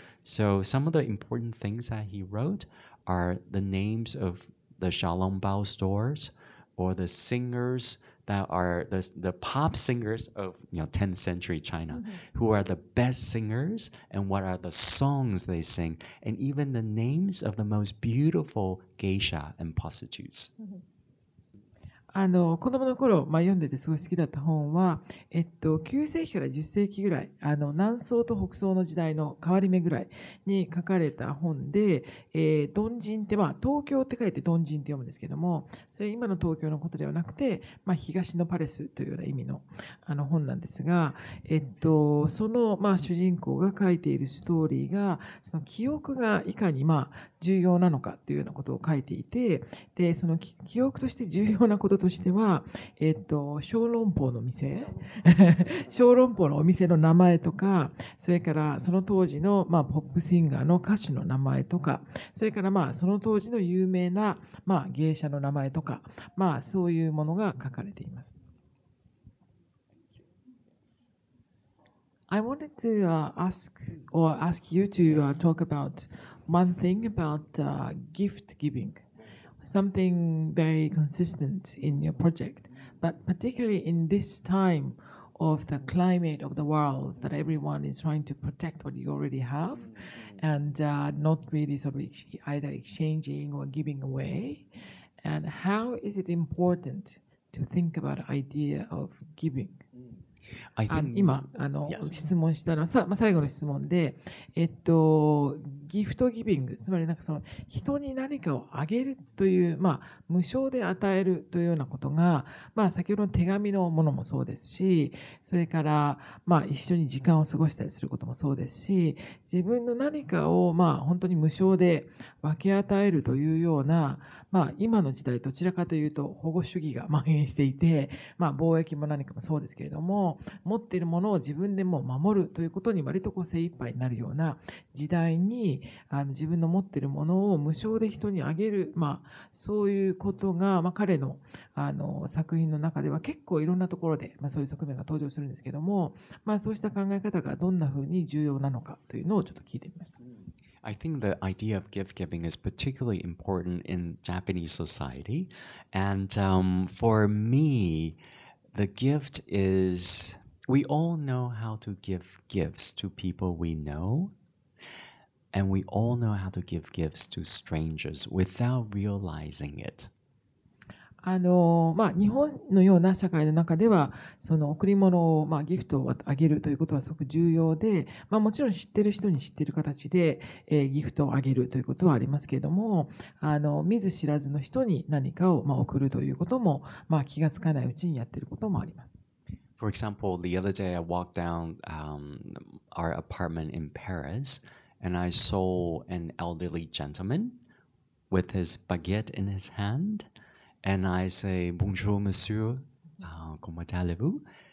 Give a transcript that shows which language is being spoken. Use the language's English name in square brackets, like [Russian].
[English] So some of the important things that he wrote are the names of the Shalom Bao stores or the singers that are the pop singers of, you know, 10th century China, mm-hmm. who are the best singers and what are the songs they sing, and even the names of the most beautiful geisha and prostitutes. Mm-hmm. [Japanese] あの子供の頃、まあ、読んでてすごい好きだった本は、9世紀から10世紀ぐらい、あの南宋と北宋の時代の変わり目ぐらいに書かれた本で、東京って書いて東京って読むんですけども、それ今の東京のことではなくて、まあ、東のパレスというような意味 の本なんですが、その、まあ、主人公が書いているストーリーが、その記憶がいかに、まあ、重要なのかというようなことを書いていて、でその記憶として重要なこととしては、小籠包の店小籠包のお店の名前とか、それからその当時の、まあ、ポップシンガーの歌手の名前とか、それから、まあ、その当時の有名な、まあ、芸者の名前とか、まあ、そういうものが書かれています。 [English] I wanted to ask you to talk about one thing about gift givingsomething very consistent in your project, but particularly in this time of the climate of the world that everyone is trying to protect what you already have and not really sort of either exchanging or giving away. And how is it important to think about idea of giving? [Japanese] 今あの、 [English] yes. [Japanese] 質問したのはさ、まあ、最後の質問で、ギフトギビング、つまりなんかその人に何かをあげるという、まあ、無償で与えるというようなことが、まあ、先ほどの手紙のものもそうですし、それから、まあ、一緒に時間を過ごしたりすることもそうですし、自分の何かを、まあ、本当に無償で分け与えるというような、まあ、今の時代どちらかというと保護主義が蔓延していて、まあ、貿易も何かもそうですけれども、持っているものを自分でも守るということに割とこう精一杯になるような時代に、あの自分の持っているものを無償で人にあげる、まあ、そういうことが、まあ、彼 の, あの作品の中では結構いろんなところで、まあ、そういう側面が登場するんですけども、まあ、そうした考え方がどんなふうに重要なのかというのをちょっと聞いてみました。 [English] I think the idea of gift giving is particularly important in Japanese society. And、for meThe gift is, we all know how to give gifts to people we know, and we all know how to give gifts to strangers without realizing it. [Japanese] あのまあ、日本のような社会の中では、その贈り物を、まあ、ギフトをあげるということはすごく重要で、まあ、もちろん知ってる人に知ってる形で、ギフトをあげるということはありますけれども、あの見ず知らずの人に何かを、まあ、贈るということも、まあ、気がつかないうちにやってることもあります。 [English] For example, the other day I walked down、our apartment in Paris and I saw an elderly gentleman with his baguette in his handAnd I say, [French] bonjour, monsieur, comment allez-vous?